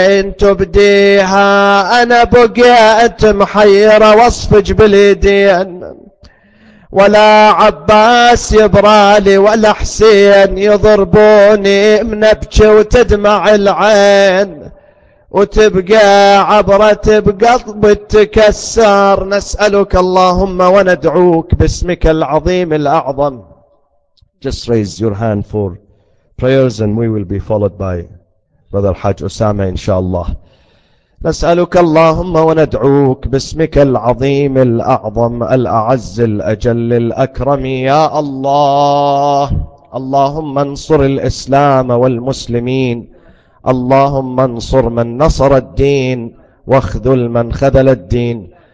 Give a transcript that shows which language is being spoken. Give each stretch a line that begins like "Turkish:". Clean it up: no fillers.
Arabic: تبديها أنا بقيت محيرة واصفج باليدين ولا عباس يبرالي ولا حسين يضربوني منبكي وتدمع العين وتبقى عبرة بقلب تكسر. نسألك اللهم وندعوك باسمك العظيم الأعظم.
English: Just raise your hand for prayers and we will be followed by Brother Hajj Osama inshallah.
Arabic: نسألك اللهم وندعوك باسمك العظيم الأعظم الأعز الأجل الأكرم يا الله. اللهم انصر الإسلام والمسلمين. اللهم انصر من نصر الدين واخذل من خذل الدين.